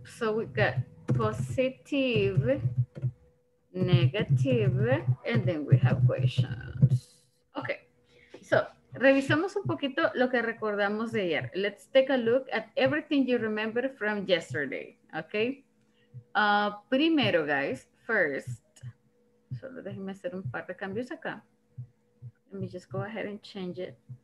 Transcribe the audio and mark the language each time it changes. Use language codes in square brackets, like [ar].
[en] So we got positive, negative, and then we have questions. Okay. [es] So, revisamos un poquito lo que recordamos de ayer. [en] Let's take a look at everything you remember from yesterday. Okay. Primero, guys, first. [es] Solo déjenme hacer un par de cambios acá. [en] Let me just go ahead and change it.